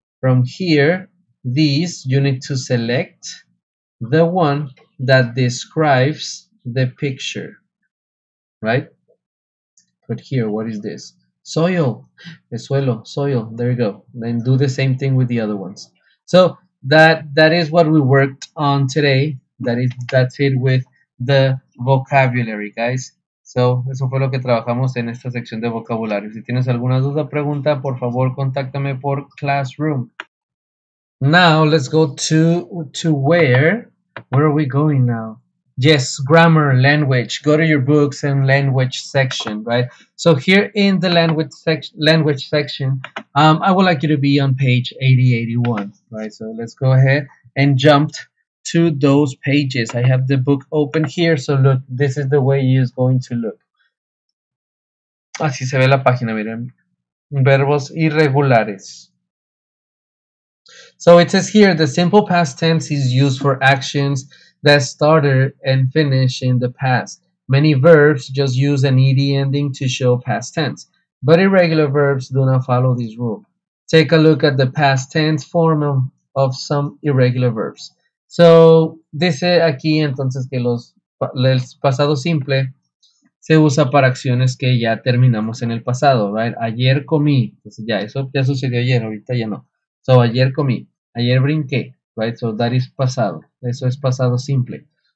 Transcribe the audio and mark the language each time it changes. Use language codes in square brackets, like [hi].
[en] From here, these, you need to select the one that describes the picture. Right? Put here, what is this? Soil. [es] El suelo. [en] Soil. There you go. Then do the same thing with the other ones. So that is what we worked on today. That's it with the vocabulary, guys. [es] So, eso fue lo que trabajamos en esta sección de vocabulario. Si tienes alguna duda, pregunta, por favor, contáctame por Classroom. [en] Now, let's go to where? Where are we going now? Yes, grammar, language. Go to your books and language section, right? So, here in the language section, I would like you to be on page 8081, right? So, let's go ahead and jump to those pages. I have the book open here, so look, this is the way it is going to look. [es] Así se ve la página, miren. Verbos irregulares. [en] So it says here, the simple past tense is used for actions that started and finished in the past. Many verbs just use an ed ending to show past tense, but irregular verbs do not follow this rule. Take a look at the past tense form of some irregular verbs. [es] So, dice aquí entonces que el pasado simple se usa para acciones que ya terminamos en el pasado, right? Ayer comí, pues ya, eso ya sucedió ayer, ahorita ya no. So, ayer comí, ayer brinqué, right? [en] So, that is [es] pasado, eso es pasado simple.